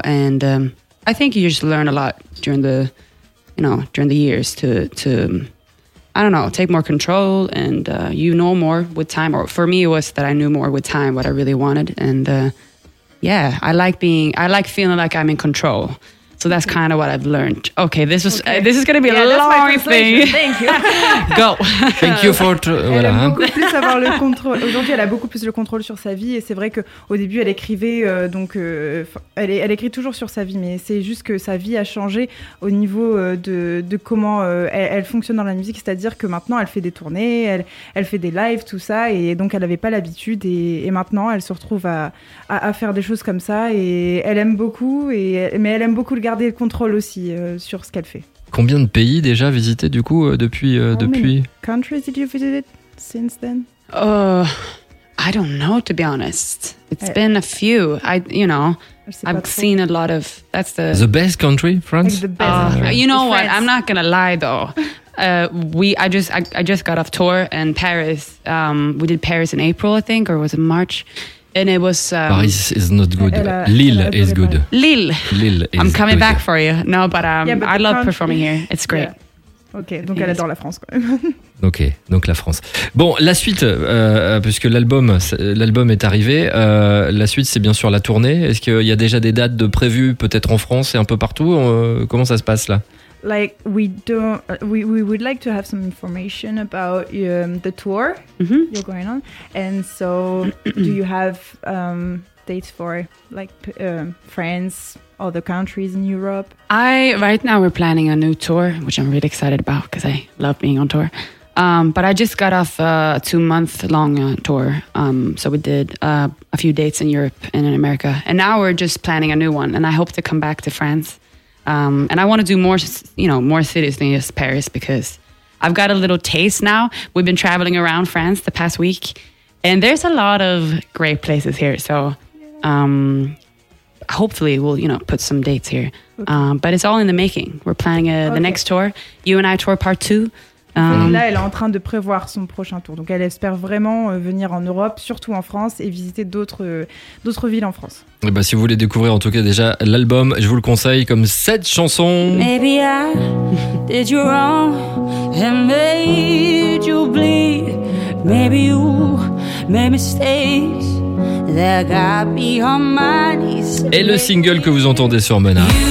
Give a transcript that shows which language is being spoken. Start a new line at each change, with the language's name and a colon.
English: And I think you just learn a lot during the years to I don't know, take more control and you know more with time. Or for me, it was that I knew more with time what I really wanted. And I like feeling like I'm in control. So that's kind of what I've learned. Okay, this is going to be a long thing. Thank you. Go. Thank you for
French: voilà. Beaucoup plus avoir le contrôle. Aujourd'hui, elle a beaucoup plus le contrôle sur sa vie et c'est vrai que au début, elle écrivait elle écrit toujours sur sa vie, mais c'est juste que sa vie a changé au niveau de comment elle fonctionne dans la musique, c'est-à-dire que maintenant elle fait des tournées, elle fait des lives, tout ça et donc elle avait pas l'habitude et maintenant elle se retrouve à faire des choses comme ça et elle aime beaucoup mais elle aime beaucoup garder le contrôle aussi sur ce qu'elle fait. Combien de pays déjà visités du coup depuis depuis?
English: How many countries did you visit since then? I don't know to be honest. It's been a few. I you know I've seen a lot of that's the best country, France. Like the best country. You know France. What? I'm not gonna lie though. I just got off tour and Paris. We did Paris in April I think or was it March? And it was Paris is not good. Lille is good. Lille. Lille is I'm coming good. Back for you. No, but, yeah, but I love country, performing here. It's great. Yeah.
French: Ok, donc elle adore la France quand même. Ok, donc la France. Bon, la suite, puisque l'album est arrivé, la suite c'est bien sûr la tournée. Est-ce qu'il y a déjà des dates de prévues, peut-être en France et un peu partout? Comment ça se passe là?
English: Like we would like to have some information about the tour you're going on, and so do you have dates for like France, other countries in Europe? I right now we're planning a new tour, which I'm really excited about because I love being on tour. But I just got off a 2-month-long tour. So we did a few dates in Europe and in America, and now we're just planning a new one. And I hope to come back to France. And I want to do more, you know, more cities than just Paris, because I've got a little taste now. We've been traveling around France the past week, and there's a lot of great places here. So hopefully we'll, you know, put some dates here. Okay. But it's all in the making. We're planning the next tour, You and I Tour Part 2.
French: Là, elle est en train de prévoir son prochain tour. Donc, elle espère vraiment venir en Europe, surtout en France, et visiter d'autres villes en France. Et bah, si vous voulez découvrir, en tout cas, déjà l'album, je vous le conseille comme cette chanson.
English: Maybe I did you wrong and made you bleed. Maybe you made mistakes that got me on my knees.
French: Et le single que vous entendez sur Mena.